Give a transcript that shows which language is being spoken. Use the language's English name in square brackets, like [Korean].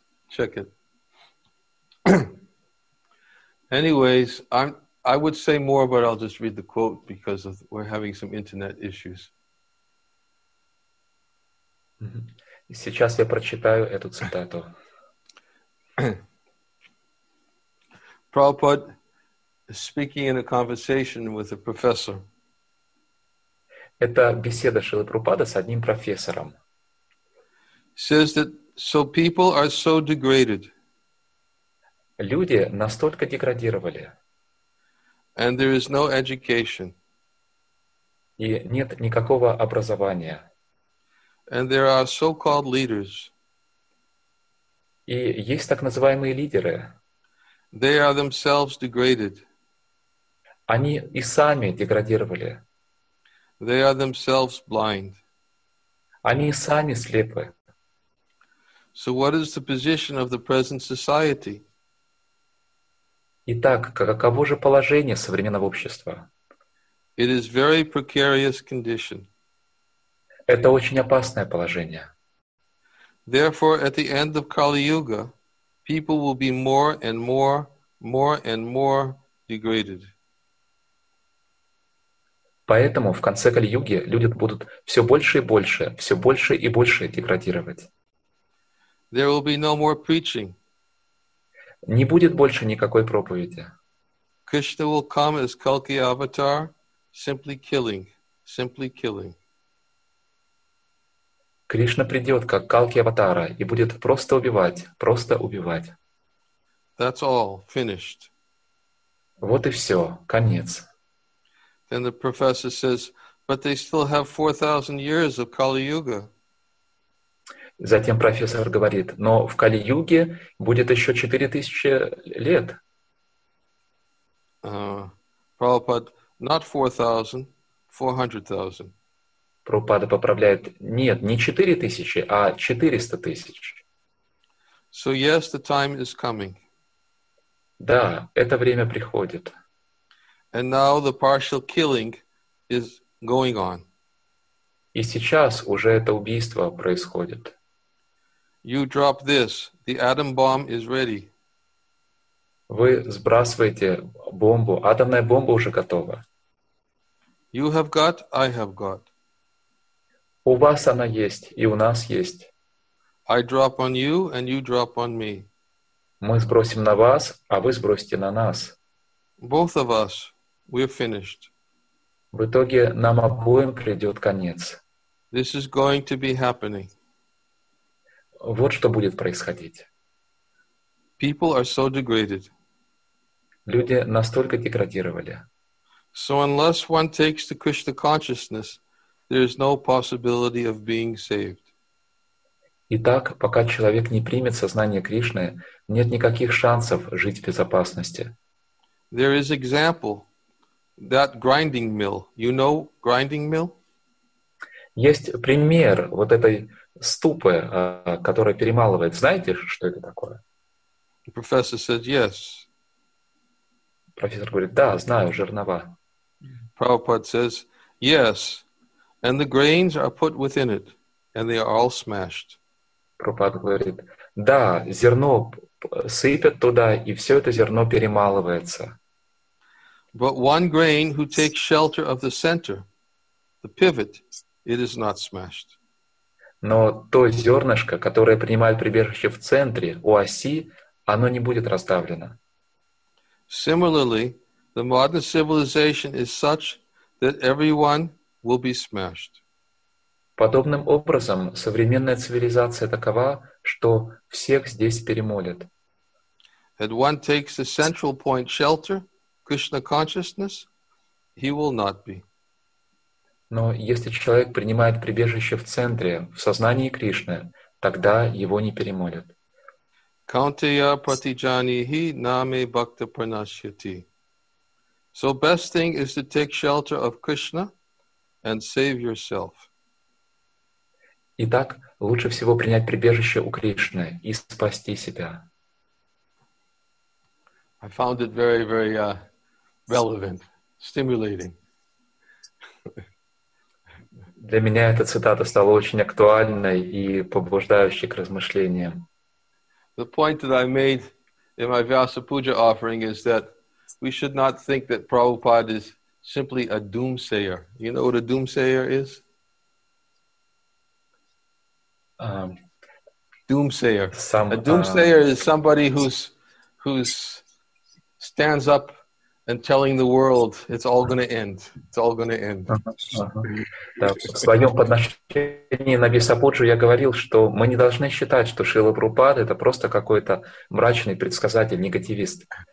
[English] Check it. Anyways, I would say more, but I'll just read the quote because of, we're having some internet issues. [Russian] Сейчас я прочитаю эту цитату. [English] Prabhupada is speaking in a conversation with a professor. [Russian] Это беседа Шрилы Прабхупады с одним профессором. [English] Says that, so people are so degraded. [Russian] Люди настолько деградировали. [English] And there is no education. [Russian] И нет никакого образования. [English] And there are so-called leaders. [Russian] И есть так называемые лидеры. [English] They are themselves degraded. [Russian] Они и сами деградировали. [English] They are themselves blind. [Russian] Они сами слепы. [English] So what is the position of the present society? [Russian] Итак, каково же положение современного общества? [English] It is very precarious condition. [Russian] Это очень опасное положение. [English] Therefore, at the end of Kali Yuga, people will be more and more, more and more degraded. [Russian] Поэтому в конце Кали-юги люди будут все больше и больше, все больше и больше деградировать. [English] There will be no more preaching. [Russian] Не будет больше никакой проповеди. [English] Krishna will come as Kalki avatar, simply killing, simply killing. [Russian] Кришна придет как Калки аватара и будет просто убивать, просто убивать. [English] That's all, finished. [Russian] Вот и все, конец. [English] And the professor says, But they still have 4,000 years of Kali Yuga. [Russian] Затем профессор говорит, но в Кали-Юге будет еще 4000 лет. [English] Prabhupada, not 4,000, 400,000. [Russian] Прабхупада поправляет, нет, не 4000, а 400 000. [English] So yes, the time is coming. [Russian] Да, это время приходит. [English] And now the partial killing is going on. [Russian] И сейчас уже это убийство происходит. [English] You drop this. The atom bomb is ready. [Russian] Вы сбрасываете бомбу. Атомная бомба уже готова. [English] You have got, I have got. [Russian] У вас она есть, и у нас есть. [English] I drop on you, and you drop on me. [Russian] Мы сбросим на вас, а вы сбросите на нас. [English] Both of us, we're finished. [Russian] В итоге нам обоим придет конец. [English] This is going to be happening. [Russian] Вот что будет происходить. [English] People are so degraded. [Russian] Люди настолько деградировали. [English] So unless one takes the Krishna consciousness, there is no possibility of being saved. [Russian] Итак, пока человек не примет сознание Кришны, нет никаких шансов жить в безопасности. [English] There is example, that grinding mill. You know grinding mill? [Russian] Есть пример вот этой ступы, которая перемалывает. Знаете, что это такое? [English] The professor said yes. [Russian] Профессор говорит, да, знаю, жернова. [English] Prabhupada says, yes, and the grains are put within it, and they are all smashed. [Russian] Прабхупада говорит, да, зерно сыпят туда, и все это зерно перемалывается. [English] But one grain who takes shelter of the center, the pivot, it is not smashed. [Russian] Но то зернышко, которое принимает прибежище в центре, у оси, оно не будет раздавлено. [English] Similarly, the modern civilization is such that everyone will be smashed. [Russian] Подобным образом, современная цивилизация такова, что всех здесь перемолят. [English] And one takes the central point shelter, Krishna consciousness, he will not be. [Russian] Но если человек принимает прибежище в центре, в сознании Кришны, тогда его не перемолят. [Sanskrit] Kauntiya pratijanihi name bhakta pranashyati. [English] So best thing is to take shelter of Krishna and save yourself. [Russian] Итак, лучше всего принять прибежище у Кришны и спасти себя. [English] I found it very, very relevant, stimulating. [Russian] Для меня эта цитата стала очень актуальной и побуждающей к размышлениям. [English] The point that I made in my Vyasa Puja offering is that we should not think that Prabhupada is simply a doomsayer. You know what a doomsayer is? Doomsayer. A doomsayer is somebody who's stands up and telling the world it's all going to end. It's all going to end. [Russian] В своем подношении на Бисапуджу я говорил, что мы не должны считать, что Шрила Прабхупада это просто какой-то мрачный предсказатель, негативист.